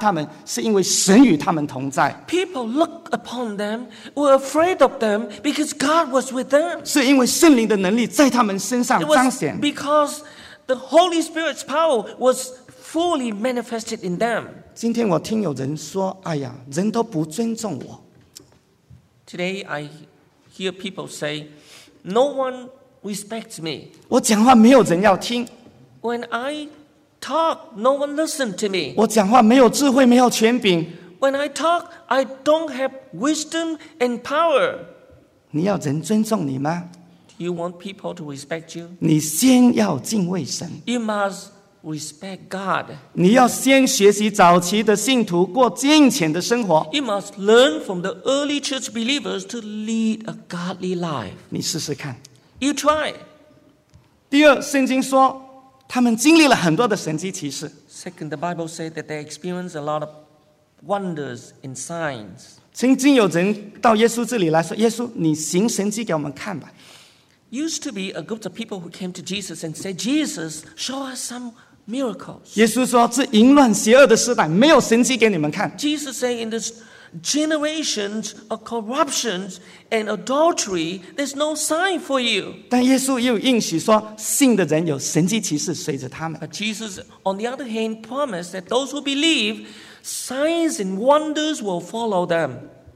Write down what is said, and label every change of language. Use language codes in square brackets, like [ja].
[zh] 众人看到他们就敬畏他们，怕他们，是因为神与他们同在。 [en] People looked upon them, were afraid of them, because God was with them. [zh] 是因为圣灵的能力在他们身上彰显。 [en] Because the Holy Spirit's power was fully manifested in them. [zh] 今天我听有人说，哎呀，人都不尊重我。 [en] Today I hear people say, no one respects me. [zh] 我讲话没有人要听。 [en] When I talk, no one listens to me. [zh] 我讲话没有智慧，没有权柄。 [en] When I talk, I don't have wisdom and power. [zh] 你要人尊重你吗? [en] Do you want people to respect you? [zh] 你先要敬畏神。 [en] You must respect God. [zh] 你要先学习早期的信徒过敬虔的生活。 [en] You must learn from the early church believers to lead a godly life. [zh] 你试试看。 [en] You try. [zh] 第二，圣经说。他们经历了很多的神迹奇事。 [en] Second, the Bible said that they experienced a lot of wonders and signs. [zh] 曾经有人到耶稣这里来说，耶稣，你行神迹给我们看吧。 [en] Used to be a group of people who came to Jesus and said, Jesus, show us some miracles. [zh] 耶稣说，这淫乱邪恶的时代，没有神迹给你们看。 [en] Jesus said, in this generations of corruptions and adultery, there's no sign for you. [zh] 但耶稣又应许说，信的人有神迹奇事随着他们。 [en] But Jesus, on the other hand, promised that those who believe, signs and wonders will follow them.